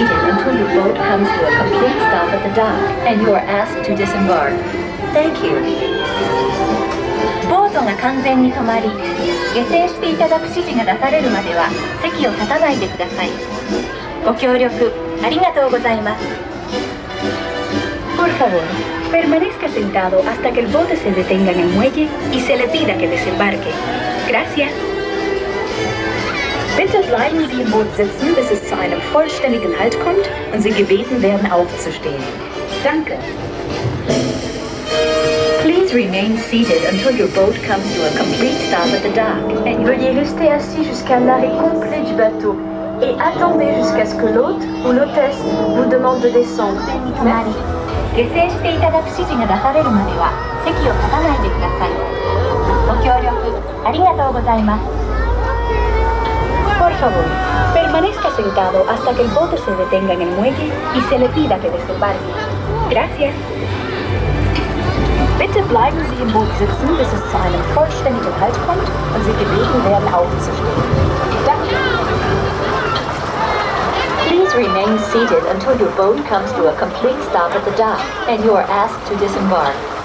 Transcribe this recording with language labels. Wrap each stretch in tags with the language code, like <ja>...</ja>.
<en>off at the dock, and you are asked to disembark. Thank you.</en> <ja>ボートが完全に止まり、下船していただく指示が出されるまでは席を立たないでください。ご協力ありがとうございます。</ja> <es>Por favor, permanezca sentado hasta que el bote se detenga en el muelle y se le pida que desembarque. Gracias.</es> <de>Bitte bleiben Sie im Boot sitzen, bis es zu einem vollständigen Halt kommt und Sie gebeten werden aufzustehen. Danke.</de> <en>Please remain seated until your boat comes to a complete stop at the dock.</en> <fr>Et veuillez rester assis jusqu'à l'arrêt complet du bateau et attendez jusqu'à ce que l'hôte ou l'hôtesse vous demande de descendre. Merci.</fr> <ja>下船していただく指示が出されるまでは席を立たないでください。ご協力ありがとうございます。</ja> <es>Por favor, permanezca sentado hasta que el bote se detenga en el muelle y se le pida que desembarque. Gracias.</es> <de>Bitte bleiben Sie im Boot sitzen, bis es zu einem vollständigen Halt kommt und Sie gebeten werden aufzustehen. Danke.</de> <en>Please remain seated until your boat comes to a complete stop at the dock and you are asked to disembark.</en>